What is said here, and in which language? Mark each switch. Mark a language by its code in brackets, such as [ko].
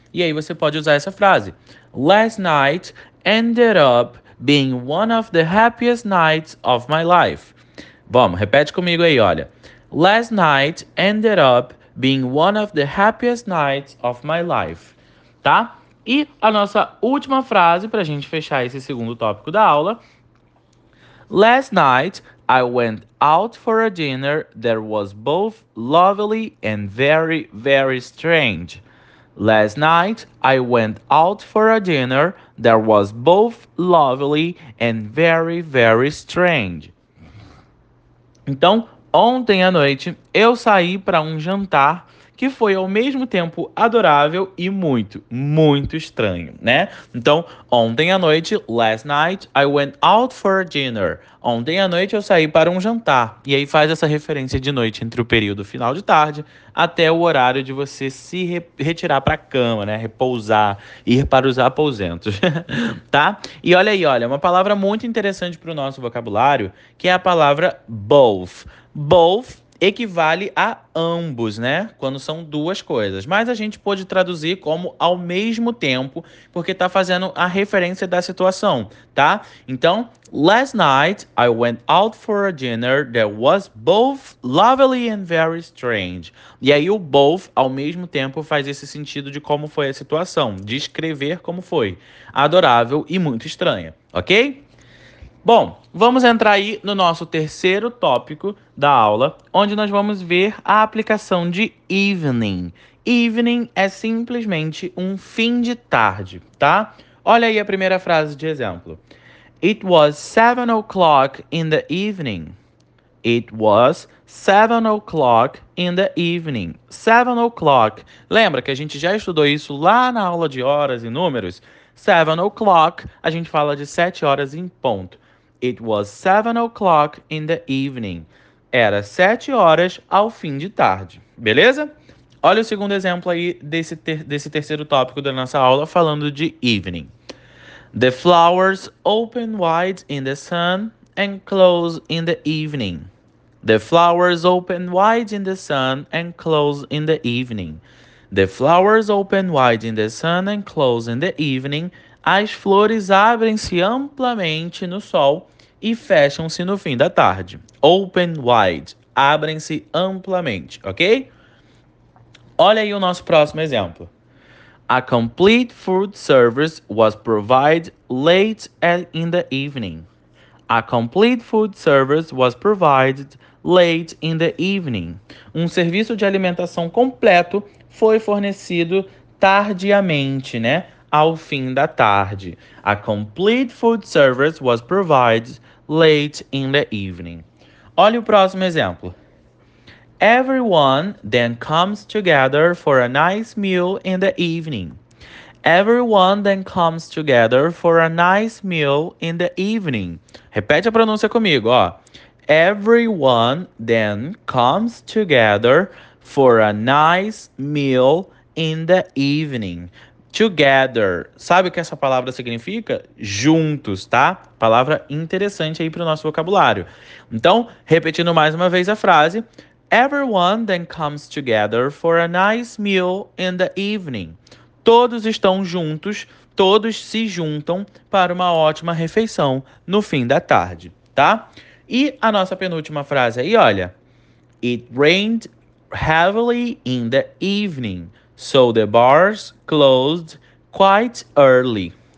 [pt] E aí você pode usar essa frase. [en] Last night ended up being one of the happiest nights of my life. [pt] Vamos, repete comigo aí, olha. [en] Last night ended up being one of the happiest nights of my life, [pt] tá? E a nossa última frase para a gente fechar esse segundo tópico da aula. [en] Last night I went out for a dinner that was both lovely and very, very strange. Last night I went out for a dinner that was both lovely and very, very strange. [pt] Então, ontem à noite, eu saí para um jantar que foi ao mesmo tempo adorável e muito, muito estranho, né? Então, ontem à noite, [en] last night, I went out for dinner. [pt] Ontem à noite, eu saí para um jantar. E aí faz essa referência de noite entre o período final de tarde até o horário de você se retirar para a cama, né? Repousar, ir para os aposentos, tá? E olha aí, olha, uma palavra muito interessante para o nosso vocabulário, que é a palavra both. Both equivale a ambos, né? Quando são duas coisas. Mas a gente pode traduzir como ao mesmo tempo, porque está fazendo a referência da situação, tá? Então, [en] last night I went out for a dinner that was both lovely and very strange. [pt] E aí o both, ao mesmo tempo, faz esse sentido de como foi a situação, descrever como foi. Adorável e muito estranha, ok? Bom, vamos entrar aí no nosso terceiro tópico da aula, onde nós vamos ver a aplicação de evening. Evening é simplesmente um fim de tarde, tá? Olha aí a primeira frase de exemplo. [en] It was 7 o'clock in the evening. It was 7 o'clock in the evening. 7 o'clock. [pt] Lembra que a gente já estudou isso lá na aula de horas e números? 7 o'clock, a gente fala de 7 horas em ponto. [en] It was 7 o'clock in the evening. [pt] Era 7 horas ao fim de tarde. Beleza? Olha o segundo exemplo aí desse terceiro tópico da nossa aula falando de evening. [en] The flowers open wide in the sun and close in the evening. The flowers open wide in the sun and close in the evening. The flowers open wide in the sun and close in the evening. [pt] As flores abrem-se amplamente no sol e fecham-se no fim da tarde. [en] Open wide. [pt] Abrem-se amplamente, ok? Olha aí o nosso próximo exemplo. [en] A complete food service was provided late in the evening. A complete food service was provided late in the evening. [pt] Um serviço de alimentação completo foi fornecido tardiamente, né? Ao fim da tarde. [en] A complete food service was provided late in the evening. [pt] Olha o próximo exemplo. [en] Everyone then comes together for a nice meal in the evening. Everyone then comes together for a nice meal in the evening. [pt] Repete a pronúncia comigo, ó. [en] Everyone then comes together for a nice meal in the evening. [pt] Together. Sabe o que essa palavra significa? Juntos, tá? Palavra interessante aí para o nosso vocabulário. Então, repetindo mais uma vez a frase. [en] Everyone then comes together for a nice meal in the evening. [pt] Todos estão juntos, todos se juntam para uma ótima refeição no fim da tarde, tá? E a nossa penúltima frase aí, olha. [en] It rained heavily in the evening. So the bars closed quite early.